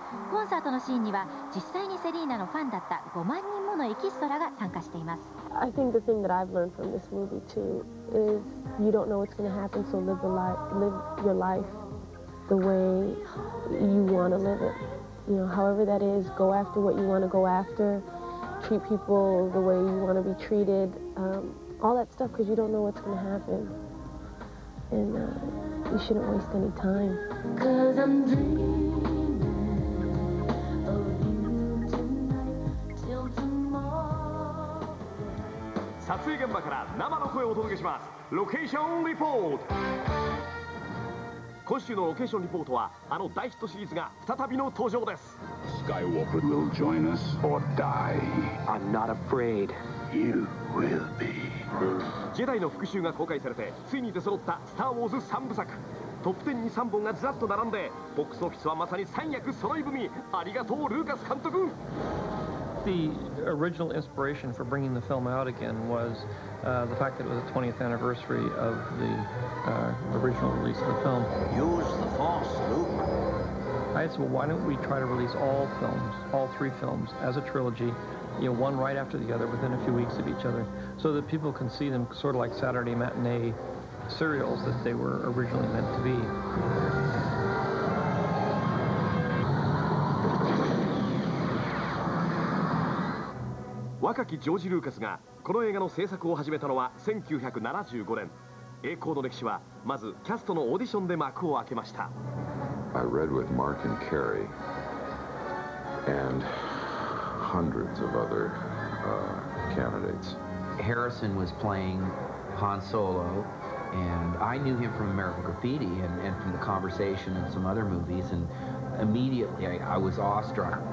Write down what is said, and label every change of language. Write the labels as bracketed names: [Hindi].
[Japanese] コンサートのシーンには実際にセリーナのファンだった5万人ものエキストラが参加しています。 [English] I think the thing that I've learned from this movie too is you don't know what's going to happen, so live your life the way you want to live it. You know, however that is, go after what you want to go after, treat people the way you want to be treated, all that stuff because you don't know what's going to happen. And, You shouldn't waste any time. Cause I'm dreaming of you tonight till tomorrow. [Japanese] 撮影現場から生の声をお届けします。ロケーションリポート。今週のロケーションリポートは、あの大ヒットシリーズが再びの登場です。 [English] Skywalker will join us or die. I'm not afraid. You will be. [Japanese] ジェダイの復讐が公開されてついに出揃ったスターウォーズ3部作トップ10に3本がずらっと並んでボックスオフィスはまさに三役揃い踏みありがとうルーカス監督 [English] the original inspiration for bringing the film out again was the fact that it was the 20th anniversary of the original release of the film. Use the Force, Luke. I said, well, why don't we try to release all films, all three films, as a trilogy, you know, one right after the other, within a few weeks of each other, so that people can see them sort of like Saturday matinee serials that they were originally meant to be. [Japanese] George Lucas が この映画の制作を始めたのは1975年。栄光の歴史はまずキャストのオーディションで幕を開けました。 [English] I read with Mark and Carey and hundreds of other candidates. Harrison was playing Han Solo, and I knew him from American Graffiti and from The Conversation and some other movies, and immediately I was awestruck.